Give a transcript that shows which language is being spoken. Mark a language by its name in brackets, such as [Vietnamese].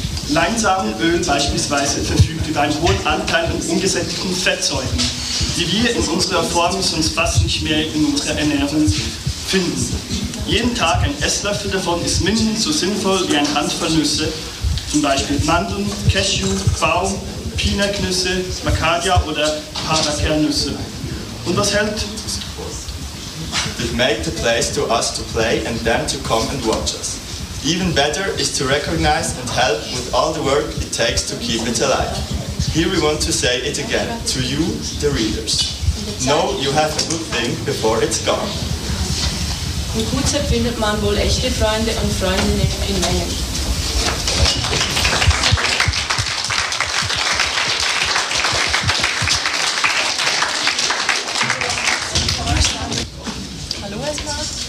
[German] Leinsamenöl beispielsweise verfügt über einen hohen Anteil an ungesättigten Fettsäuren, die wir in unserer Form sonst fast nicht mehr in unserer Ernährung finden. Jeden Tag ein Esslöffel davon ist mindestens so sinnvoll wie eine Handvoll Nüsse, zum Beispiel Mandeln, Cashew, Baum, Pinaknüsse, Macadia oder Paracernüsse. Und was hält? [English] We've made the place to us to play and them to come and watch us. Even better is to recognize and help with all the work it takes to keep it alive. Here we want to say it again, to you, the readers. Know you have a good thing before it's gone. [German] Im QZEP findet man wohl echte Freunde und Freundinnen in Mengen. Hallo erstmal.